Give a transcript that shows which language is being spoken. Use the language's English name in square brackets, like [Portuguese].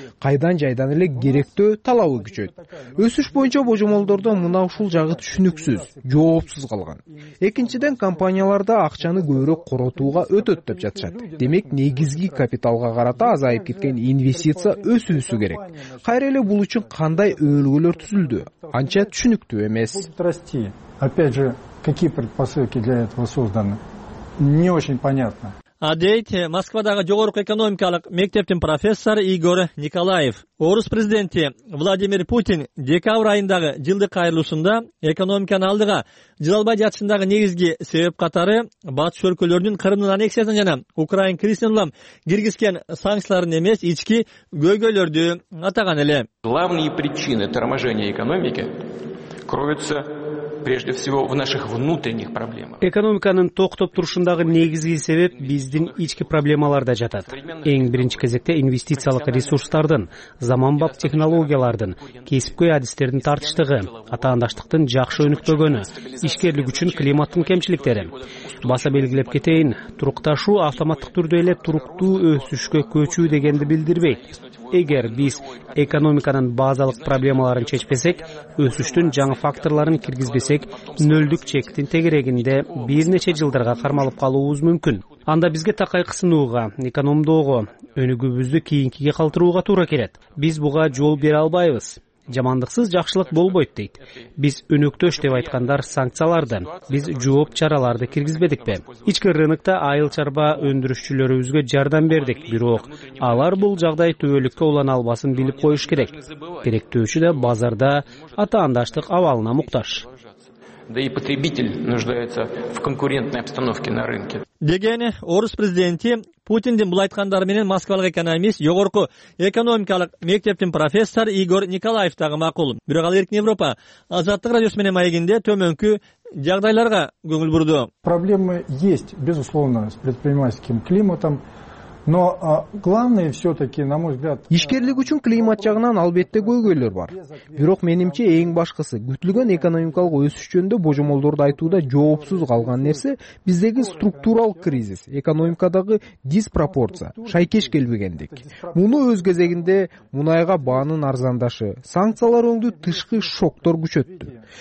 [Kyrgyz] Кайдан жайдан эле керектөө талабы күчөйт? Өсүш боюнча божомолдордо мына ушул жагы түшүнүксүз, жоопсуз калган. Экинчиден, компанияларда акчаны көбүрөөк коротууга өтөт деп жатышат. Демек, негизги капиталга карата азайып кеткен инвестиция өсүүсү керек. Кайра эле бул үчүн кандай өлгөлөр түзүлдү? Анча түшүнүктүү эмес. [Russian] Опять же, какие предпосылки для этого созданы? Не очень понятно. [Kyrgyz] Адейт, Москвадагы жогорку экономикалык мектептин профессору Игорь Николаев. Орус президенти Владимир Путин декабрь айындагы жылдык кайрылуусунда экономиканы алдыга жыла албай жатышындагы негизги себеп катары батыш өлкөлөрдүн Кырымдын аннексиясын жана Украин кризисин улам киргизген санкцияларын эмес ички көйгөйлөрдү атаган эле. [Russian] Главные причины торможения экономики кроются прежде всего в наших внутренних проблемах. [Kyrgyz] Экономиканын токтоп турушундагы негизги себеп биздин ички проблемаларда жатат. Эң биринчи кезекте инвестициялык ресурстардын, заманбап технологиялардын, кесипкөй адистердин тартыштыгы, атаандаштыктын жакшы өнүктөгөнү, ишкерлик үчүн климаттын кемчиликтери. Баса белгилеп кетейин, турукташуу автоматтык түрдө эле туруктуу өсүшкө көчүү дегенди билдирбейт. Эгер биз экономиканын базалык проблемаларын чечпесек, өсүштүн жаңы факторлорун киргизбесек, нөлдүк чектин тегерегинде бир нече жылдарга кармалып калуубуз мүмкүн. Анда бизге такай кысынууга, экономдоого, өнүгүүбүздү кийинкиге калтырууга туура келет. Биз буга жол бере албайбыз. Жамандыксыз жакшылык болбойт дейт. Биз өнөктөш деп айткандар санкцияларды, биз жооп чараларды киргизбедик бе? Ички рынокто айыл чарба өндүрүшчүлөрүбүзгө жардам бердик, бирок алар бул жагдай түбөлүккө улана албасын билип коюш керек. Керектөөчү да базарда атаандаштык абалына муктаж. [Russian] Да и потребитель нуждается в конкурентной обстановке на рынке. [Kyrgyz] Деген орус президенти Путиндин бул айткандары менен москвалык экономист, жогорку экономикалык мектептин профессору Игорь Николаев дагы макул. Бирок ал Эркин Европа Азаттык радиосу менен маегинде төмөнкү жагдайларга көңүл бурду. [Russian] Проблемы есть, безусловно, с предпринимательским климатом. Но главное все-таки, на мой взгляд, [Kyrgyz] ишкерлик үчүн климат жагынан албетте көйгөйлөр бар. Бирок менимче эң башкысы күтүлгөн экономикалык өсүш жөнүндө божомолдорду айтууда жоопсуз калган нерсе биздеги структурал кризис, экономикадагы диспропорция, шайкеш келбегендик. Муну өз кезегинде мунайга баанын арзандашы, санкциялар оңду тышкы шоктор күчөттү.